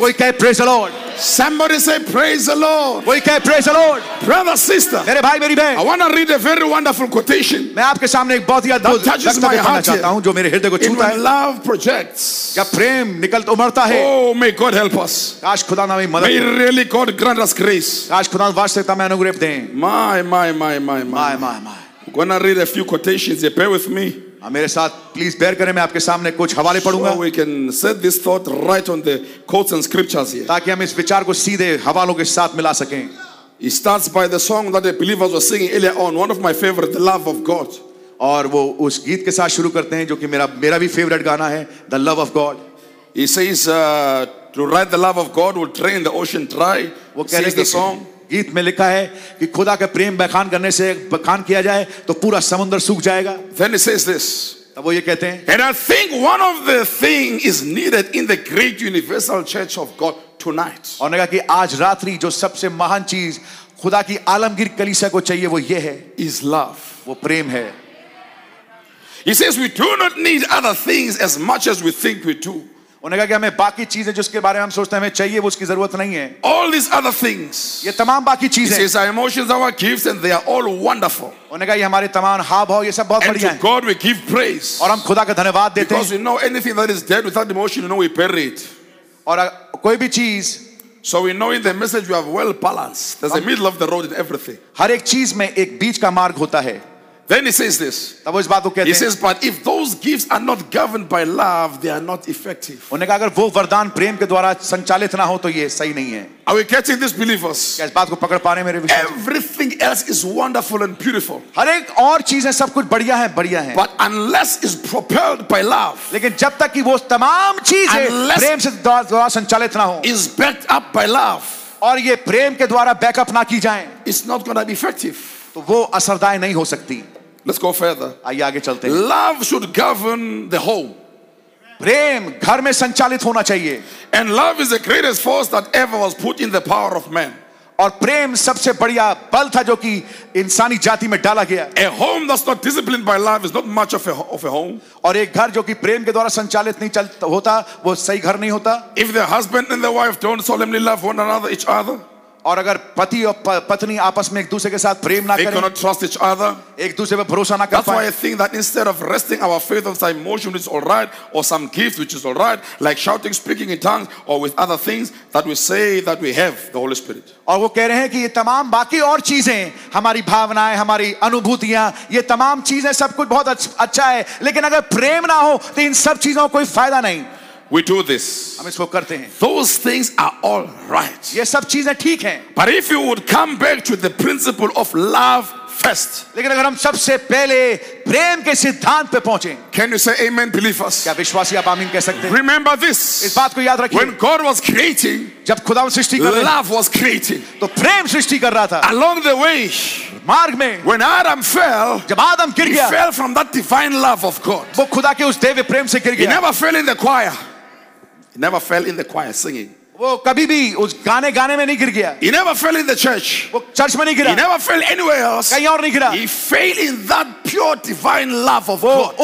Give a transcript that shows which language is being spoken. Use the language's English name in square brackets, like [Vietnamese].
[Hindi] कोई कहे [English] praise the Lord. Somebody say praise the Lord. [Hindi] कोई कहे [English] praise the Lord. Brother, sister. [Hindi] मेरे भाई मेरी बहन। [English] I want to read a very wonderful quotation. [Hindi] मैं आपके सामने एक बहुत ही अद्भुत वचन रखना चाहता हूँ जो मेरे हृदय को छूता है। [English] In love projects. [Hindi] जब प्रेम निकलता उमड़ता है। [English] Oh, may God help us. [Hindi] काश खुदा ना हमें मदद [English] करे। May really God grant us grace. [Hindi] काश खुदा वास्तविकता में अनुग्रह दे। [English] My. Gonna read a few quotations. You pray with me. [Hindi] मेरे साथ प्लीज बेयर करें मैं आपके सामने कुछ हवाले पढ़ूंगा। [English] We can set this thought right on the quotes and scriptures here. [Hindi] ताकि हम इस विचार को सीधे हवालों के साथ मिला सकें। [English] It starts by the song that the believers were singing earlier on. One of my favorite, the love of God. [Hindi] और वो उस गीत के साथ शुरू करते हैं जो कि मेरा भी फेवरेट गाना है, [English] the love of God. He says to write the love of God will drain the ocean dry. [Hindi] वो कह रहे हैं कि song. गीत में लिखा है कि खुदा के प्रेम बखान करने से बखान किया जाए तो पूरा समुद्र सूख जाएगा। [English] Then he says this. [Hindi] तब वो ये कहते हैं। [English] And I think one of the thing is needed in the great universal church of God tonight. [Hindi] और कहा कि आज रात्रि जो सबसे महान चीज खुदा की आलमगीर कलीसिया को चाहिए वो ये है। [English] Is love. [Hindi] वो प्रेम है। [English] He says we do not need other things as much as we think we do. [Hindi] उन्हें कहा कि हमें बाकी चीजें जो उसके बारे में हम सोचते हैं हमें चाहिए वो उसकी जरूरत नहीं है। [English] All these other things, [Hindi] ये तमाम बाकी चीजें, [English] these are emotions, our gifts, and they are all wonderful. [Hindi] उन्हें कहा ये हमारे तमाम हाव-भाव ये सब बहुत बढ़िया [English] हैं। And to God we give praise. [Hindi] और हम खुदा का धन्यवाद देते हैं। [English] Because we know anything that is dead without emotion, you know we bury it. [Hindi] और कोई भी चीज, [English] so we know in the message we have well balanced. There's a middle of the road in everything. [Hindi] हर एक चीज में एक बीच का मार्ग होता है। [English] Then he says this. [Hindi] तब वो इस बात को कहते हैं। [English] He says, but if those gifts are not governed by love, they are not effective. [Hindi] उन्हें कहा अगर वो वरदान प्रेम के द्वारा संचालित ना हो तो ये सही नहीं है। [English] Are we catching this, believers? [Hindi] क्या इस बात को पकड़ पा रहे मेरे विश्वासी? [English] Everything else is wonderful and beautiful. [Hindi] हर एक और चीज है सब कुछ बढ़िया है बढ़िया है। [English] But unless it's propelled by love. [Hindi] लेकिन जब तक कि वो तमाम चीजें प्रेम से द्वारा संचालित ना हो, [English] is backed up by love. [Hindi] और ये प्रेम के द्वारा बैकअप ना की जाए, [English] it's not going to be effective. [Hindi] तो वो असरदार नहीं हो सकती। [English] Let's go further. [Hindi] आइए आगे चलते हैं। [English] Love should govern the home. [Hindi] प्रेम घर में संचालित होना चाहिए। [English] And love is the greatest force that ever was put in the power of man. [Hindi] और प्रेम सबसे बढ़िया बल था जो कि इंसानी जाति में डाला गया। [English] A home that's not disciplined by love is not much of a home. [Hindi] और एक घर जो कि प्रेम के द्वारा संचालित नहीं चलता होता, वो सही घर नहीं होता। [English] If the husband and the wife don't solemnly love one another, each other. [Hindi] और अगर पति और पत्नी आपस में एक दूसरे के साथ प्रेम ना करें, [English] trust each other, [Hindi] एक दूसरे पर भरोसा ना कर [English] पाए, that's why I think that instead of resting our faith on some emotion which is all right or some gift which is all right like shouting, speaking in tongues or with other things that we say that we have the Holy Spirit. [Hindi] और वो कह रहे हैं कि ये तमाम बाकी और चीजें, हमारी भावनाएं, हमारी अनुभूतियां, ये तमाम चीजें सब कुछ बहुत अच्छा है, लेकिन अगर प्रेम ना हो तो इन सब चीजों का कोई फायदा नहीं। [English] We do this. [Hindi] हम इसको करते हैं। [English] Those things are all right. [Hindi] ये सब चीजें ठीक हैं। [English] But if you would come back to the principle of love first. [Hindi] लेकिन अगर हम सबसे पहले प्रेम के सिद्धांत पे पहुंचे, [English] can you say amen, believers? [Hindi] क्या विश्वासी आप आमीन कह सकते हैं? [English] Remember this. [Hindi] इस बात को याद रखिए। [English] When God was creating, [Hindi] जब खुदा सृष्टि कर रहा [English] था, love was creating. [Hindi] तो प्रेम सृष्टि कर रहा था। [English] Along the way, [Hindi] मार्ग में, [English] when Adam fell, [Hindi] जब आदम गिर गया, [English] he fell from that divine love of God. [Hindi] वो खुदा के उस दैवीय प्रेम से गिर गया। [English] He never fell in the choir. Never fell in the choir singing. [Hindi] वो कभी भी उस गाने गाने में नहीं गिर गया। [English] He never fell in the church. [Hindi] वो चर्च में नहीं गिरा। [English] He never fell anywhere else. [Hindi] कहीं और नहीं गिरा। [English] He fell in that pure divine love of God.